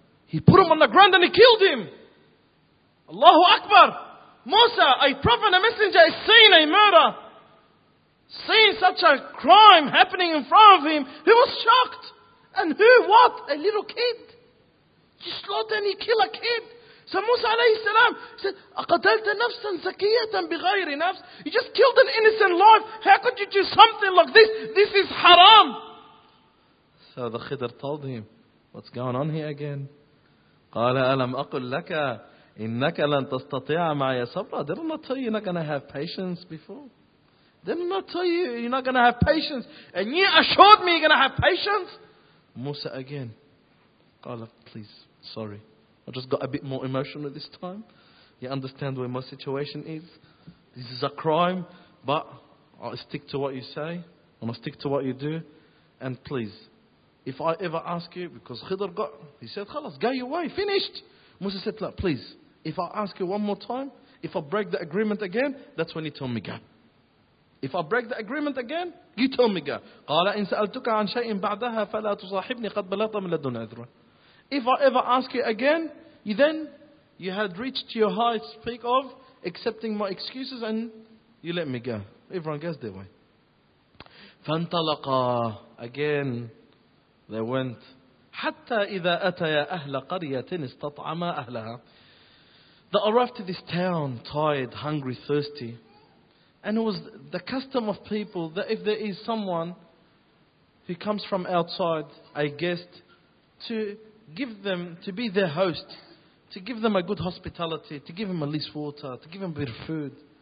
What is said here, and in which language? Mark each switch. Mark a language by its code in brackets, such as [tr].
[en] He put him on the ground and he killed him. Allahu Akbar! Musa, a prophet, a messenger, is seeing a murder. Seeing such a crime happening in front of him. He was shocked. And who? What? A little kid? You slaughter and you kill a kid? [ar] موسى عليه السلام [en] said, [ar] أقتلت نفسا زكية بغير نفس. [en] You just killed an innocent life. How could you do something like this? This is haram. So the Khidr told him, what's going on here again? [ar] قال ألم أقل لك إنك لن تستطيع معي صبرا. [en] Didn't I tell you you're not going to have patience before? Didn't I tell you you're not going to have patience? And you assured me you're going to have patience? Musa again. قال please, sorry. I just got a bit more emotional this time. You understand where my situation is. This is a crime, but I'll stick to what you say, and I'll stick to what you do. And please, if I ever ask you, because Khidr got, he said, خلاص, go your way, finished. Musa said, look, please, if I ask you one more time, if I break the agreement again, that's when you tell me go. If I break the agreement again, you tell me go. [ar] قال إن سألتك عن شيء بعدها فلا تصاحبني قد بلغت من لدن عذرا. [en] If I ever ask you again, you had reached your highest peak of accepting my excuses and you let me go. Everyone goes their way. [ar] فانطلقا. [en] Again, they went. [ar] حتى إذا أتيا أهل قرية استطعما أهلها. [en] They arrived to this town, tired, hungry, thirsty. And it was the custom of people that if there is someone who comes from outside, a guest, to give them, to be their host, to give them a good hospitality, to give them at least water, to give them a bit of food.